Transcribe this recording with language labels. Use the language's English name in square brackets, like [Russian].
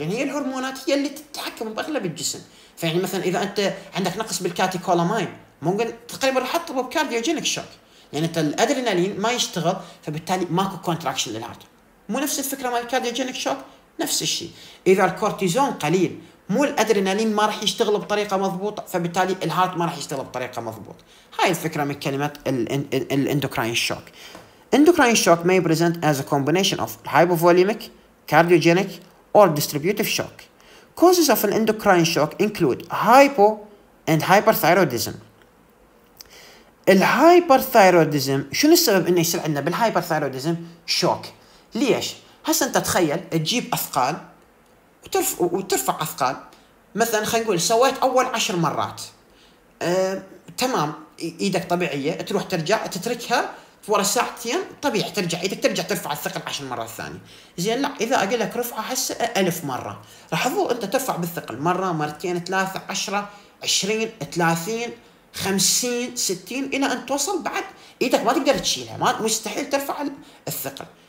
[Arabic] يعني هي الهرمونات هي اللي تتحكم باغلب الجسم فيعني مثلا اذا انت عندك نقص بالكاتيكولاماين ممكن تقريبا راح تضرب بكارديوجينيك شوك يعني انت الادرينالين ما يشتغل فبالتالي ماكو كونتراكشن للهارت. مو نفس الفكره مال الكارديوجينيك شوك نفس الشيء. اذا الكورتيزون قليل مو الادرينالين ما راح يشتغل بطريقه مضبوطه فبالتالي الهارت ما راح يشتغل بطريقه مضبوطه. هاي الفكره من كلمه الاندوكراين شوك. [English] Endocrine shock may present as a combination of hypovolemic, cardiogenic or distributive shock. Causes of an endocrine shock include hypo and hyperthyroidism. [Arabic] الهايبرثايرويدزم شنو السبب انه يصير عندنا بالهايبرثايرويدزم شوك؟ ليش؟ هسه انت تخيل تجيب اثقال وترفع اثقال مثلا خلينا نقول سويت اول 10 مرات تمام ايدك طبيعيه تروح ترجع تتركها ورا ساعتين طبيعي ترجع ايدك ترجع ترفع الثقل 10 مرات ثانيه زين. لا اذا اقول لك رفعها هسه 1000 مره راح تظل انت ترفع بالثقل مره مرتين ثلاثه 10 20 30 50 60 الى ان توصل بعد ايدك ما تقدر تشيلها ما مستحيل ترفع الثقل.